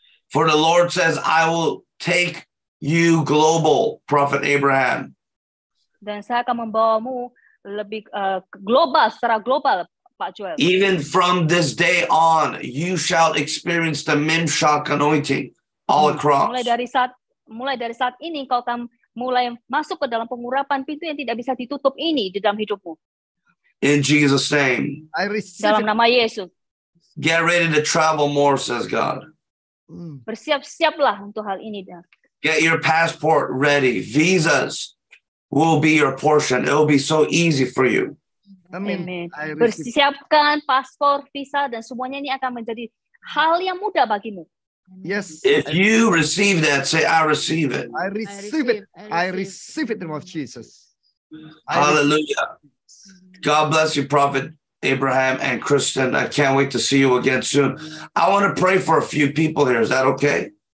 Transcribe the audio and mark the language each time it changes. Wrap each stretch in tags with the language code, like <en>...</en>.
<en>For the Lord says, I will take you global, Prophet Abraham.</en> <id>Dan saya akan membawamu lebih global, secara global.</id> <en>Even from this day on, you shall experience the Mimshak anointing all across.</en> <id>Mulai dari saat ini, kau akan mulai masuk ke dalam pengurapan pintu yang tidak bisa ditutup ini di dalam hidupmu.</id> <en>In Jesus' name. I receive</en> <id>dalam nama Yesus.</id> <en>Get ready to travel more, says God.</en> <id>Bersiap-siaplah untuk hal ini.</id> <en>Get your passport ready. Visas will be your portion. It will be so easy for you.</en> <id>Amin. Persiapkan paspor, visa, dan semuanya ini akan menjadi hal yang mudah bagimu.</id> <en>Yes. If you receive that, say, I receive it. I receive it. I receive it in the name of Jesus. Hallelujah. God bless you, Prophet Abraham and Kristen. I can't wait to see you again soon. I want to pray for a few people here. Is that okay?</en>